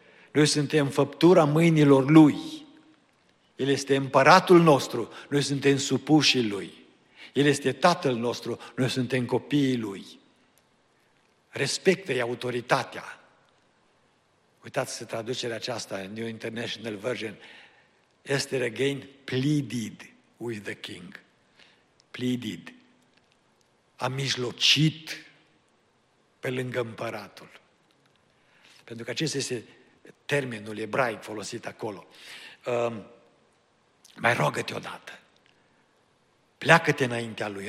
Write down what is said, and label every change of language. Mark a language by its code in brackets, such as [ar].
[ro] Noi suntem făptura mâinilor Lui. El este împăratul nostru, noi suntem supușii Lui. El este tatăl nostru, noi suntem copiii Lui. Respectă-i autoritatea. Uitați-vă traducerea aceasta, New International Version. [en] Esther again pleaded with the king. Pleaded. [ro] A mijlocit pe lângă împăratul. Pentru că acesta este termenul ebraic folosit acolo. Mai rogă-te odată. Pleacă-te înaintea lui.